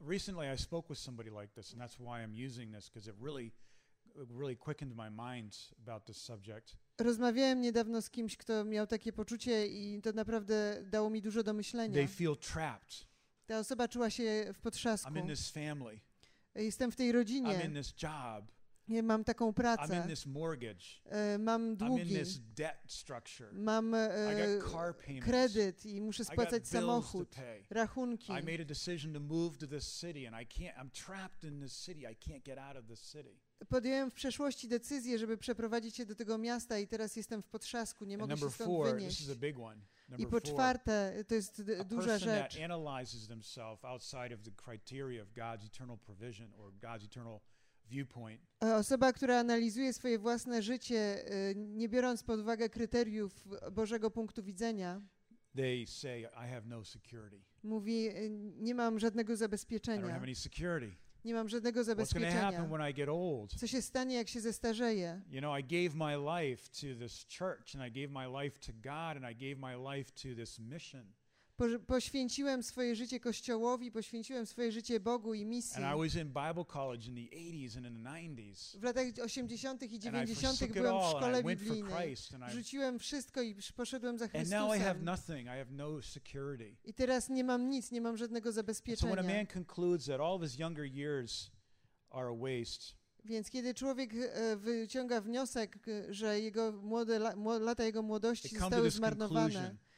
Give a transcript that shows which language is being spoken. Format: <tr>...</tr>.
<en>Recently I spoke with somebody like this, and that's why I'm using this, because it really quickened my mind about this subject.</en> <pl>Rozmawiałem niedawno z kimś, kto miał takie poczucie i to naprawdę dało mi dużo do myślenia.</pl> <en>They feel trapped.</en> <pl>Ta osoba czuła się w potrzasku.</pl> <en>I'm in this family.</en> <pl>Jestem w tej rodzinie.</pl> <en>I'm in this job.</en> <pl>Nie mam taką pracę.</pl> <en>I'm in this mortgage.</en> <pl>Mam długi.</pl> <en>I'm in this debt structure.</en> <pl>Mam kredyt i muszę spłacać samochód, rachunki.</pl> <en>I made a decision to move to this city and I can't, I'm trapped in this city. I can't get out of this city.</en> <pl>Podjąłem w przeszłości decyzję, żeby przeprowadzić się do tego miasta i teraz jestem w potrzasku, nie mogę się stąd wynieść.</pl> <en>This is a big one.</en> <pl>I po czwarte, to jest duża rzecz.</pl> <en>That analyzes themselves outside of the criteria of God's eternal provision or God's eternal viewpoint.</en> <pl>Osoba, która analizuje swoje własne życie, nie biorąc pod uwagę kryteriów Bożego punktu widzenia.</pl> <en>They say, I have no security.</en> <pl>Mówi, nie mam żadnego zabezpieczenia.</pl> <en>I don't have any security.</en> <pl>Nie mam żadnego zabezpieczenia.</pl> <en>What's gonna happen when I get old?</en> <pl>Co się stanie, jak się zestarzeję?</pl> <en>You know, I gave my life to this church and I gave my life to God and I gave my life to this mission.</en> <pl>Poświęciłem swoje życie Kościołowi, poświęciłem swoje życie Bogu i misji.</pl> <en>And I was in Bible college in the 80s and in the 90s.</en> <pl>W latach 80. i 90. byłem w szkole biblijnej. Rzuciłem wszystko i poszedłem za Chrystusem.</pl> <en>And now I have nothing. I have no security.</en> <pl>I teraz nie mam nic, nie mam żadnego zabezpieczenia.</pl> <en>So when a man concludes that all of his younger years are a waste.</en> <pl>Więc kiedy człowiek wyciąga wniosek, że jego młode lata jego młodości zostały zmarnowane.</pl>